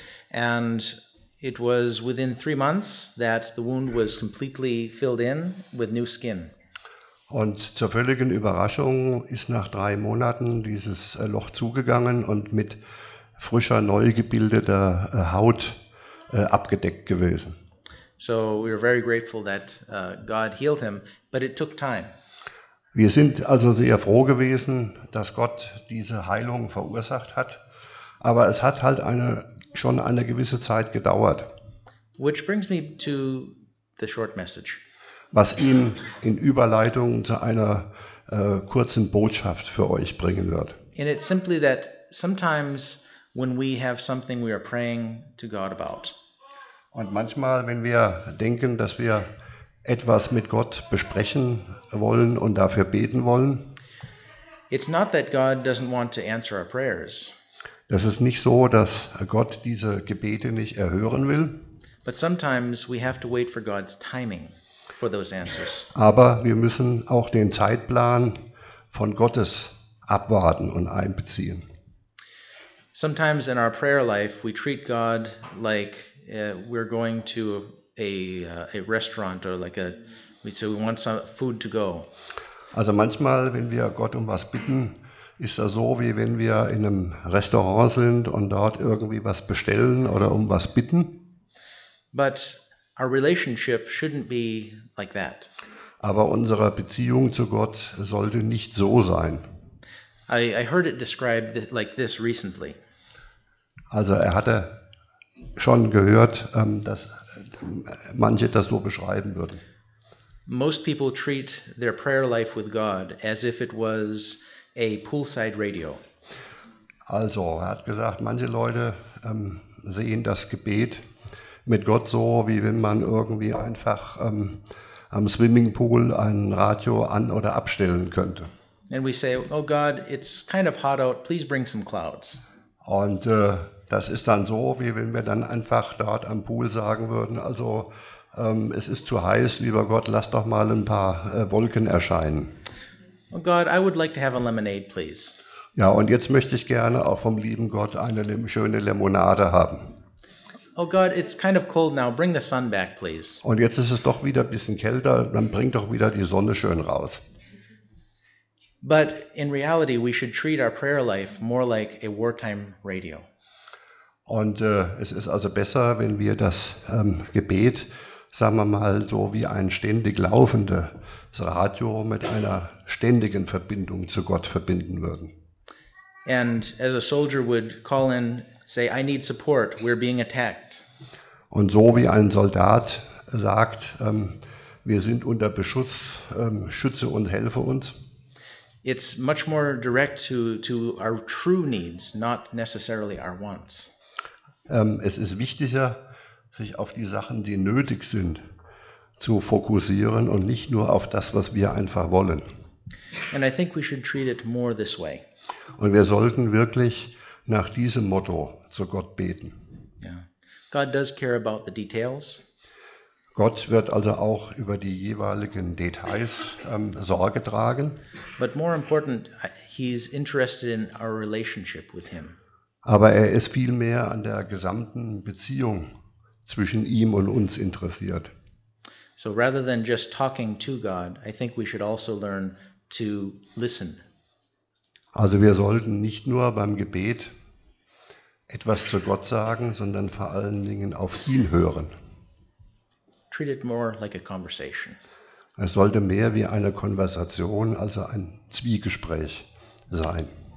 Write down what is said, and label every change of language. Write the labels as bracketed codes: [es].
[en] And it was within 3 months that the wound was completely filled in with new skin. [de] Und zur völligen Überraschung ist nach 3 Monaten dieses Loch zugegangen und mit frischer, neu gebildeter Haut abgedeckt gewesen. [en] So we are very grateful that God healed him, but it took time. [de] Wir sind also sehr froh gewesen, dass Gott diese Heilung verursacht hat, aber es hat halt schon eine gewisse Zeit gedauert. [en] Which brings me to the short message. [de] Was ihn in Überleitung zu einer kurzen Botschaft für euch bringen wird. [en] And it's simply that sometimes when we have something we are praying to God about. [de] Und manchmal, wenn wir denken, dass wir etwas mit Gott besprechen wollen und dafür beten wollen. [en] It's not that God doesn't want to answer our prayers. [de] Das ist nicht so, dass Gott diese Gebete nicht erhören will. [en] But sometimes we have to wait for God's timing for those answers. [de] Aber wir müssen auch den Zeitplan von Gottes abwarten und einbeziehen. [en] Sometimes in our prayer life we treat God like we're going to a restaurant or like we say we want some food to go. [de] Also manchmal, wenn wir Gott um was bitten, ist das so, wie wenn wir in einem Restaurant sind und dort irgendwie was bestellen oder um was bitten. [en] But our relationship shouldn't be like that. [de] Aber unsere Beziehung zu Gott sollte nicht so sein. [en] I heard it described like this recently. [de] Also er hatte schon gehört, dass manche das so beschreiben würden. [en] Most people treat their prayer life with God as if it was a poolside radio. [de] Also er hat gesagt, manche Leute sehen das Gebet mit Gott so, wie wenn man irgendwie einfach am Swimmingpool ein Radio an- oder abstellen könnte. [en] And we say, oh God, it's kind of hot out, please bring some clouds. [de] Und das ist dann so, wie wenn wir dann einfach dort am Pool sagen würden, also es ist zu heiß, lieber Gott, lass doch mal ein paar Wolken erscheinen. [en] Oh God, I would like to have a lemonade, please. [de] Ja, und jetzt möchte ich gerne auch vom lieben Gott eine schöne Limonade haben. [en] Oh God, it's kind of cold now, bring the sun back, please. [de] Und jetzt ist es doch wieder ein bisschen kälter, dann bring doch wieder die Sonne schön raus. [en] But in reality, we should treat our prayer life more like a wartime radio. [de] Und es ist also besser, wenn wir das Gebet, sagen wir mal, so wie ein ständig laufendes Radio mit einer ständigen Verbindung zu Gott verbinden würden. [en] And as a soldier would call in, say, I need support, we're being attacked. [de] Und so wie ein Soldat sagt, wir sind unter Beschuss, schütze und helfe uns. [en] It's much more direct to our true needs, not necessarily our wants. [de] Es ist wichtiger, sich auf die Sachen, die nötig sind, zu fokussieren und nicht nur auf das, was wir einfach wollen. [en] And I think we should treat it more this way. [de] Und wir sollten wirklich nach diesem Motto zu Gott beten. [en] Yeah. God does care about the details. [de] Gott wird also auch über die jeweiligen Details Sorge tragen. [en] But more important, he's interested in our relationship with him. [de] Aber er ist vielmehr an der gesamten Beziehung zwischen ihm und uns interessiert. [en] So rather than just talking to God, I think we should also learn to listen. [de] Also wir sollten nicht nur beim Gebet etwas zu Gott sagen, sondern vor allen Dingen auf ihn hören. [en] Treat it more like a conversation. [de] Es sollte mehr wie eine Konversation, also ein Zwiegespräch sein.